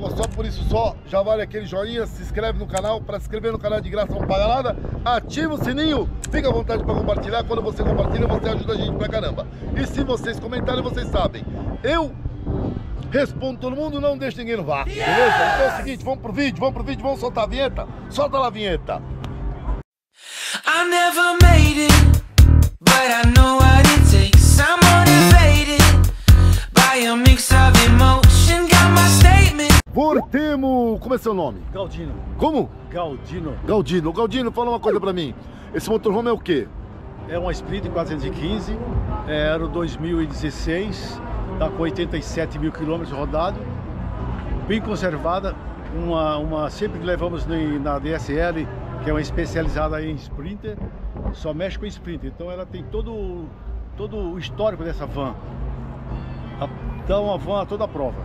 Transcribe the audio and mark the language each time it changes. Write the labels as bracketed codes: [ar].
[pt] Pô, só por isso só, já vale aquele joinha. Se inscreve no canal. Para se inscrever no canal de graça, não paga nada. Ativa o sininho. Fica à vontade para compartilhar. Quando você compartilha, você ajuda a gente pra caramba. E se vocês comentarem, vocês sabem. Eu respondo todo mundo, não deixa ninguém no vácuo, beleza? Então é o seguinte, vamos pro vídeo, vamos soltar a vinheta? Solta lá a vinheta! [en] I never made it, but I know what it takes. I'm motivated by a mix of emotion, got my statement. [pt] Voltemo! Como é seu nome? Galdino. Como? Galdino. Galdino. Galdino, fala uma coisa pra mim. Esse motorhome é o quê? É uma Sprinter 415, era o 2016. Está com 87 mil quilômetros rodado, bem conservada, uma sempre que levamos na DSL, que é uma especializada em Sprinter, só mexe com Sprinter, então ela tem todo o histórico dessa van, então a van a toda a prova.